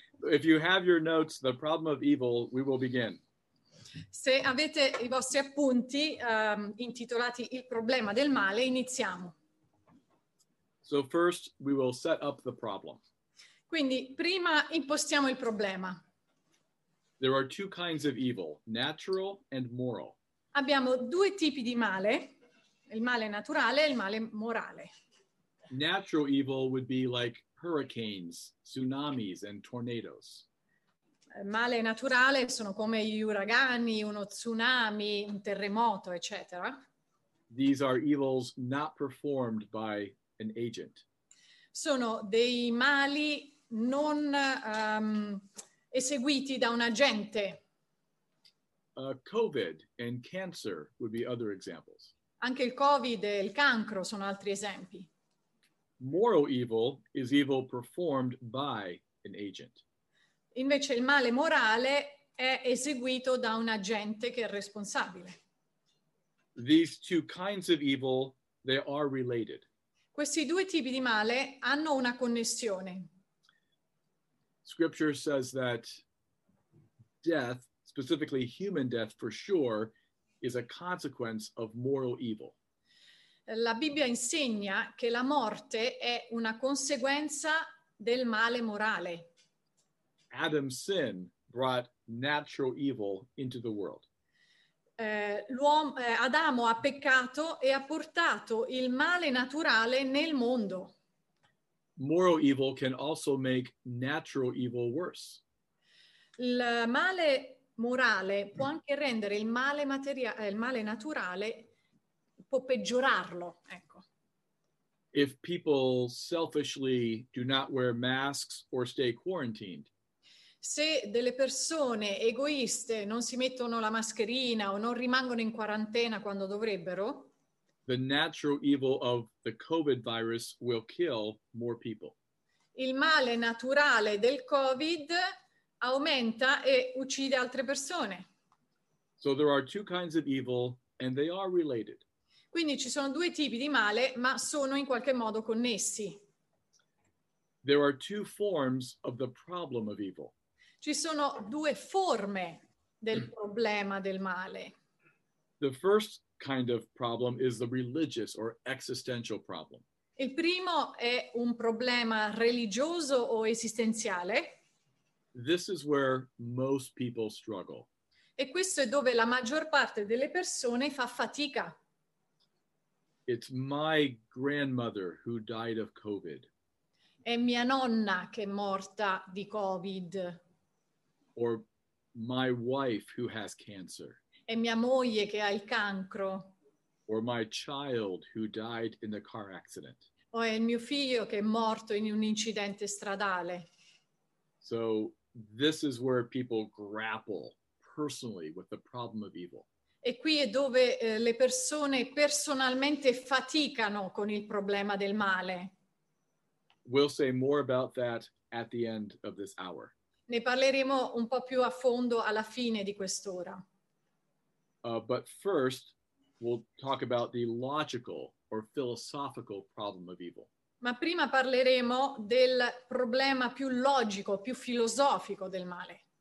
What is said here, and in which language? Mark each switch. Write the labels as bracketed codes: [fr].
[en] If you have your notes, the problem of evil, we will begin. [it] Se avete I vostri appunti intitolati Il problema del male, iniziamo. [en] So first we will set up the problem. [it] Quindi prima impostiamo il problema. [en] There are two kinds of evil, natural and moral. [it] Abbiamo due tipi di male, il male naturale e il male morale. [en] Natural evil would be like hurricanes, tsunamis and tornadoes. [it] Male naturale sono come gli uragani, uno tsunami, un terremoto, eccetera. [en] These are evils not performed by an agent. [it] Sono dei mali non eseguiti da un agente. [en] COVID and cancer would be other examples. [it] Anche il COVID e il cancro sono altri esempi. [en] Moral evil is evil performed by an agent. [it] Invece il male morale è eseguito da un agente che è responsabile. [en] These two kinds of evil, they are related. [it] Questi due tipi di male hanno una connessione. [en] Scripture says that death, specifically human death for sure, is a consequence of moral evil. [it] La Bibbia insegna che la morte è una conseguenza del male morale. [en] Adam's sin brought natural evil into the world. [it] Adamo ha peccato e ha portato il male naturale nel mondo. [en] Moral evil can also make natural evil worse. [it] Il male morale può anche rendere il male naturale può peggiorarlo, ecco. [en] If people selfishly do not wear masks or stay quarantined. [it] Se delle persone egoiste non si mettono la mascherina o non rimangono in quarantena quando dovrebbero, [en] the natural evil of the COVID virus will kill more people. [it] Il male naturale del COVID aumenta e uccide altre persone. [en] So there are two kinds of evil and they are related. [it] Quindi ci sono due tipi di male, ma sono in qualche modo connessi. [en] There are two forms of the problem of evil. [it] Ci sono due forme del problema del male. [en] The first kind of problem is the religious or existential problem. [it] Il primo è un problema religioso o esistenziale. [en] This is where most people struggle. [it] E questo è dove la maggior parte delle persone fa fatica. [en] It's my grandmother who died of COVID. [it] È mia nonna che è morta di COVID. [en] Or my wife who has cancer. [it] È mia moglie che ha il cancro. [en] Or my child who died in a car accident. [it] O è il mio figlio che è morto in un incidente stradale. [en] So this is where people grapple personally with the problem of evil. [it] E qui è dove le persone personalmente faticano con il problema del male. [en] We'll say more about that at the end of this hour. [it] Ne parleremo un po' più a fondo alla fine di quest'ora. [en] But first, we'll talk about the logical or philosophical problem of evil. [it] Ma prima parleremo del problema più logico, più filosofico del male.